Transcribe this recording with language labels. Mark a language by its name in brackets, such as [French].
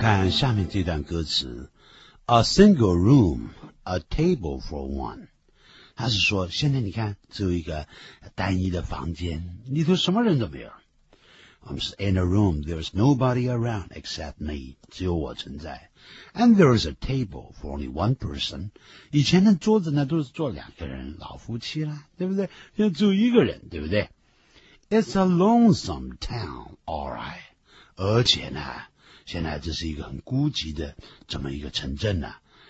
[Chinese] 下面这段歌词 A single room, a table for one, 他是说现在你看只有一个单一的房间，里头什么人都没有。 [English] I'm in a room, there's nobody around except me, 只有我存在。 [Chinese] And there's a table for only one person, 以前的桌子呢都是坐两个人，老夫妻啦，对不对？现在只有一个人，对不对？ It's a lonesome town, alright, 而且呢现在这是一个很孤寂的这么一个城镇呢、啊。